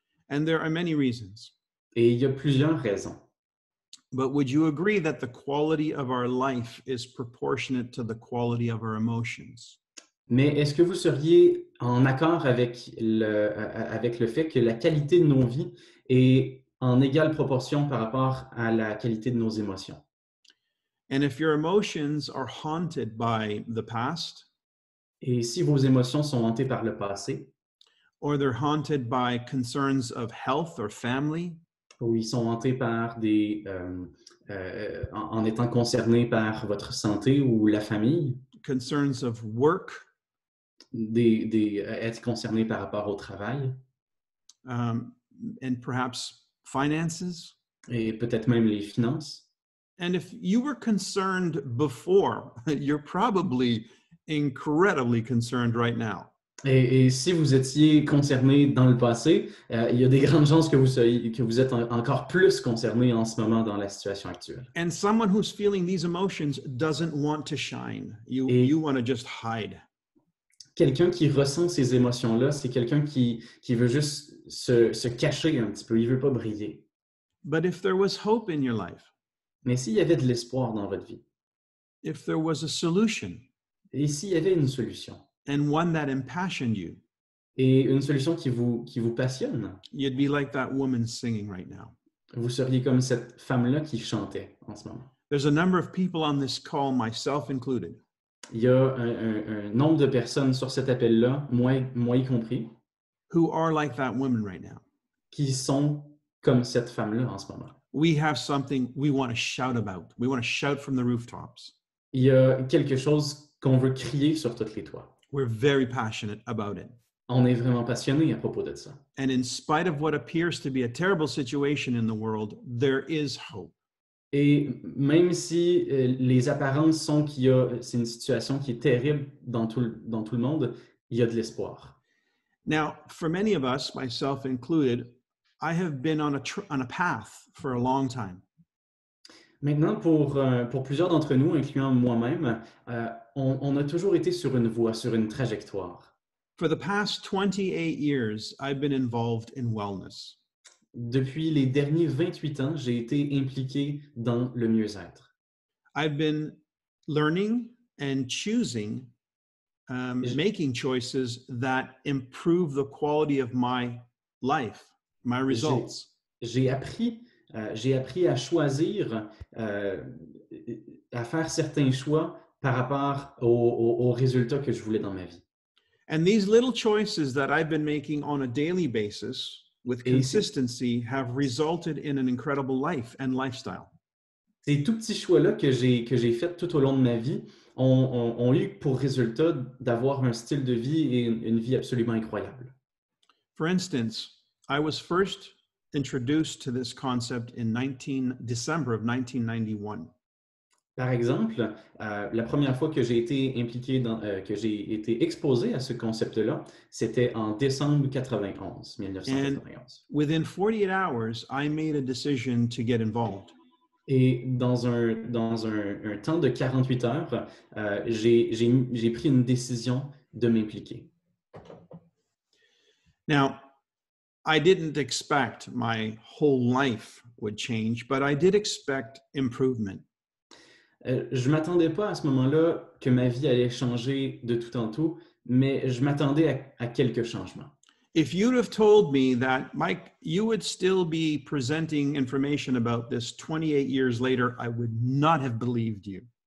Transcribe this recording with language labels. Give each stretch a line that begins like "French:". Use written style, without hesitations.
English: And there are many reasons.
French: Et il y a plusieurs raisons.
English: But would you agree that the quality of our life is proportionate to the quality of our emotions?
French: Mais est-ce que vous seriez en accord avec le fait que la qualité de nos vies est en égale proportion par rapport à la qualité de nos émotions?
English: And if your emotions are haunted by the past,
French: et si vos émotions sont hantées par le passé,
English: or they're haunted by concerns of health or family,
French: ou ils sont hantés par en étant concernés par votre santé ou la famille,
English: concerns of work,
French: être concerné par rapport au travail,
English: and perhaps finances,
French: et peut-être même les finances.
English: And if you were concerned before, you're probably incredibly concerned right now.
French: Et si vous étiez concerné dans le passé, il y a des grandes chances que vous êtes encore plus concerné en ce moment dans la situation actuelle.
English: And someone who's feeling these emotions doesn't want to shine. You want to just hide.
French: Quelqu'un qui ressent ces émotions-là, c'est quelqu'un qui veut juste se cacher un petit peu. Il veut pas briller.
English: But if there was hope in your life,
French: mais s'il y avait de l'espoir dans votre vie,
English: if there was a solution,
French: et s'il y avait une solution,
English: and one that impassioned you,
French: et une solution qui vous passionne,
English: you'd be like that woman singing right now.
French: Vous seriez comme cette femme-là qui chantait en ce moment.
English: There's a number of people on this call, myself included.
French: Il y a un nombre de personnes sur cet appel-là, moi y compris,
English: who are like that woman right now.
French: Qui sont comme cette femme-là en ce moment.
English: We have something we want to shout about. We want to shout from the rooftops.
French: Il y a quelque chose qu'on veut crier sur toutes les toits.
English: We're very passionate about it.
French: On est vraiment passionné à propos de ça.
English: And in spite of what appears to be a terrible situation in the world, there is hope.
French: Et même si les apparences sont c'est une situation qui est terrible dans tout le monde, il y a de l'espoir.
English: Now, for many of us, myself included, I have been on a path for a long time.
French: Maintenant, pour plusieurs d'entre nous, incluant moi-même, on a toujours été sur une voie, sur une trajectoire.
English: For the past 28 years, I've been involved in wellness.
French: Depuis les derniers 28 ans, j'ai été impliqué dans le mieux-être.
English: I've been learning and choosing, making choices that improve the quality of my life, my results.
French: J'ai appris à choisir, à faire certains choix par rapport aux résultats que je voulais dans ma vie.
English: And these little choices that I've been making on a daily basis with consistency have resulted in an incredible life and lifestyle.
French: Ces tout petits choix-là que j'ai fait tout au long de ma vie ont eu pour résultat d'avoir un style de vie et une vie absolument incroyable.
English: For instance, I was first introduced to this concept in December of 1991.
French: Par exemple, la première fois que j'ai été impliqué que j'ai été exposé à ce concept-là, c'était en décembre 1991.
English: And within 48 hours, I made a decision to get involved.
French: Et dans un temps de 48 heures, j'ai pris une décision de m'impliquer.
English: Now, I didn't expect my whole life would change, but I did expect improvement.
French: Je m'attendais pas à ce moment-là que ma vie allait changer de tout en tout, mais je m'attendais à quelques changements.
English: If you'd have told me that, Mike, you would still be presenting information about this 28 years later, I would not have believed you.